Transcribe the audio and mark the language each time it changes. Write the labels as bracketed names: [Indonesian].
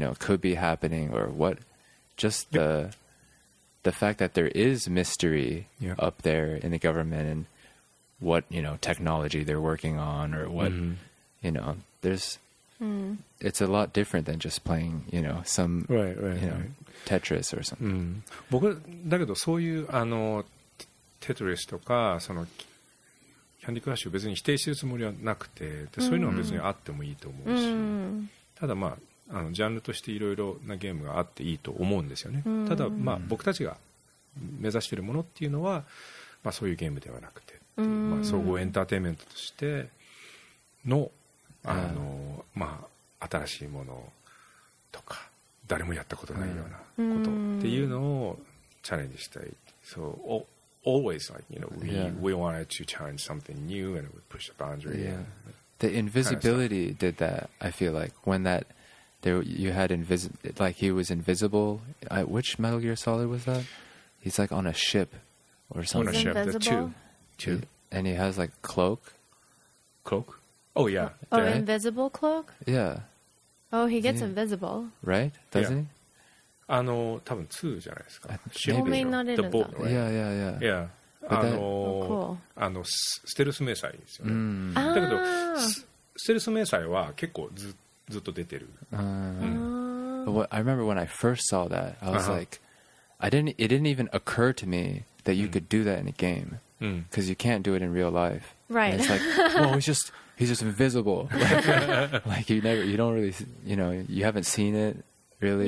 [English] you know, could be happening, or what, just yep. the fact that there is mystery yep. up there in the government, and what, you know, technology they're working on, or what, mm-hmm. you know, there's, it's a lot different than just playing, you know, some, right, you know, right. Tetris or something. [Japanese] 僕、だけどそういう、あの、Tetris とか、その、Candy Crush を別に否定するつもりはなくて、で、そういうのは別にあってもいいと思うし、ただまあ、あのジャンルとしていろいろなゲームがあっていいと思うんですよね。ただ、まあ、僕たちが目指しているものっていうのは、まあ、そういうゲームではなくて、まあ、総合エンターテインメントとしての、あの、まあ、新しいものとか誰もやったことないようなことっていうのをチャレンジしたい。 [English] So always like, you know, we wanted to challenge something new and we push the boundary. The invisibility did that, I feel like, when thatThere, you had like he was invisible. Which Metal Gear Solid was that? He's like on a ship or something. On a ship, the two. Two. And he has like cloak. Cloak? Oh, yeah. Oh, right? Invisible cloak? Yeah. Oh, he gets invisible. Right? Doesn't he? [Japanese] あの、多分2じゃないですか。 [English] ship. Maybe. Only not in the boat, right? Yeah. Yeah. [Japanese] あの、 [English] oh, cool. [Japanese] あの、ステルス迷彩ですよね。だけど、ステルス迷彩は結構ずっとずっと出てる。 [English] I remember when I first saw that, I was like, it didn't even occur to me that you could do that in a game, because you can't do it in real life. Right. And it's like, well, he's just invisible. Like you don't really, you know, you haven't seen it really.